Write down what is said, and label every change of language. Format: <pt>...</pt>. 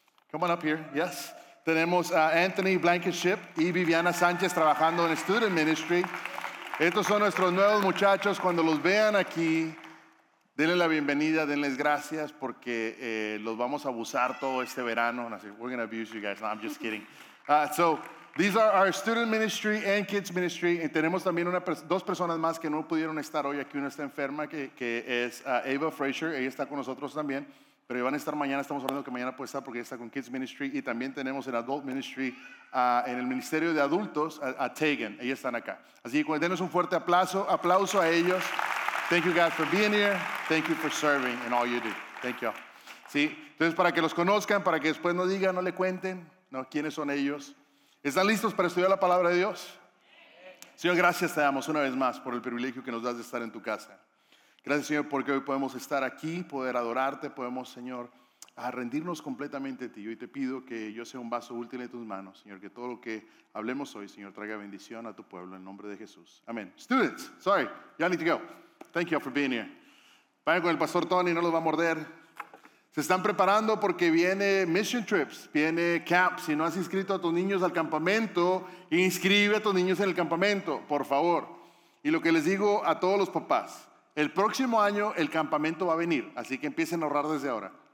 <en>Come on up here, yes.</en> <es>Tenemos a Anthony Blankenship y Viviana Sánchez trabajando en Student Ministry. Estos son nuestros nuevos muchachos. Cuando los vean aquí, denle la bienvenida, denles gracias porque los vamos a abusar todo este verano.</es> <en>We're going to abuse you guys. No, I'm just kidding. So these are our Student Ministry and Kids Ministry.</en> <es>Y tenemos también dos personas más que no pudieron estar hoy. Aquí una está enferma, que es Ava Frazier. Ella está con nosotros también. Pero van a estar mañana, estamos hablando que mañana puede estar porque ya está con Kids Ministry y también tenemos en Adult Ministry, en el Ministerio de Adultos, a Tegan, ellos están acá. Así que denos un fuerte aplauso a ellos.</es> <en>Thank you guys for being here, thank you for serving and all you do. Thank you.</en> <es>Sí, entonces para que los conozcan, para que después no digan, no le cuenten, ¿no? ¿Quiénes son ellos? ¿Están listos para estudiar la palabra de Dios? Señor, gracias te damos una vez más por el privilegio que nos das de estar en tu casa. Gracias, Señor, porque hoy podemos estar aquí, poder adorarte, podemos, Señor, rendirnos completamente a ti. Hoy te pido que yo sea un vaso útil en tus manos, Señor, que todo lo que hablemos hoy, Señor, traiga bendición a tu pueblo en nombre de Jesús. Amén.</es> <en>Students, sorry, y'all need to go. Thank you for being here.</en> <es>Vayan con el Pastor Tony, no los va a morder. Se están preparando porque viene Mission Trips, viene Camp. Si no has inscrito a tus niños al campamento, inscribe a tus niños en el campamento, por favor. Y lo que les digo a todos los papás, el próximo año el campamento va a venir, así que empiecen a ahorrar desde ahora.</es>